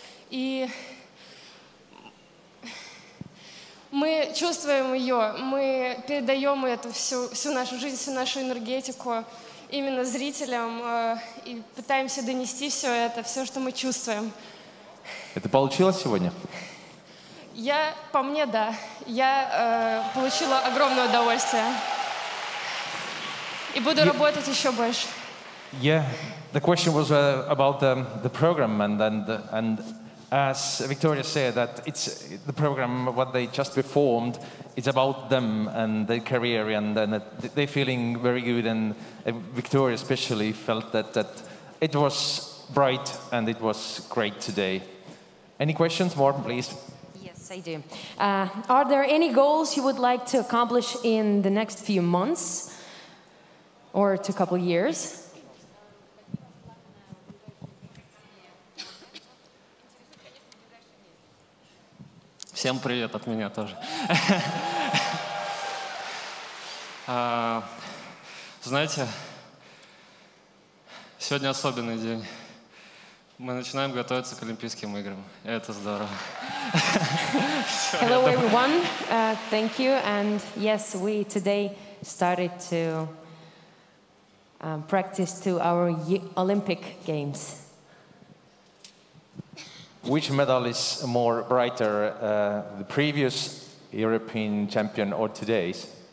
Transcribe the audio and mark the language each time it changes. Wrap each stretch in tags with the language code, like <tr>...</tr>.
<ru>И мы чувствуем ее, мы передаем эту всю нашу жизнь, всю нашу энергетику именно зрителям и пытаемся донести все это, все, что мы чувствуем. Это получилось сегодня? Я, по мне, да. Я получила огромное удовольствие. И буду работать еще больше.</ru> <en>Yeah, the question was about the program and as Victoria said, that it's the program, what they just performed, it's about them and their career, and they're feeling very good, and Victoria especially felt that it was bright and it was great today. Any questions, Warren, please? Yes, I do. Are there any goals you would like to accomplish in the next few months or to a couple of years?</en> <ru>Всем привет от меня тоже. Знаете, сегодня особенный день. Мы начинаем готовиться к Олимпийским играм. Это здорово.</ru> <en>Hello everyone. Thank you. And yes, we today started to practice to our Olympic games. Which medal is more brighter, the previous European champion or today's?</en>